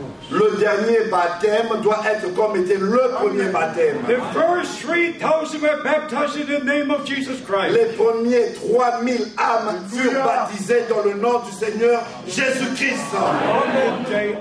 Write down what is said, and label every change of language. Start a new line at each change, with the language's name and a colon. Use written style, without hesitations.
French: Le dernier baptême doit être comme était le premier baptême.
English: The first 3,000 were baptized in the name of Jesus Christ.
French: Les premiers 3,000 âmes furent baptisées dans le nom du Seigneur Jésus-Christ.